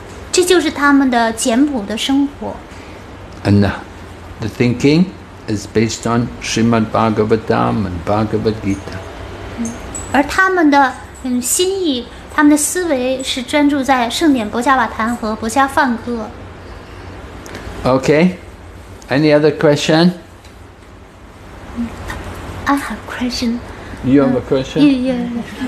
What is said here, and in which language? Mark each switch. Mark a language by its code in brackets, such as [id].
[zh] 这就是他们的简朴的生活。 [en] And the thinking is based on Srimad Bhagavatam and Bhagavad Gita. [zh] 而他们的心意, 他们的思维是专注在圣典博伽瓦坛和博伽梵歌。 [en] Okay, any other question? I have a question. You have a question?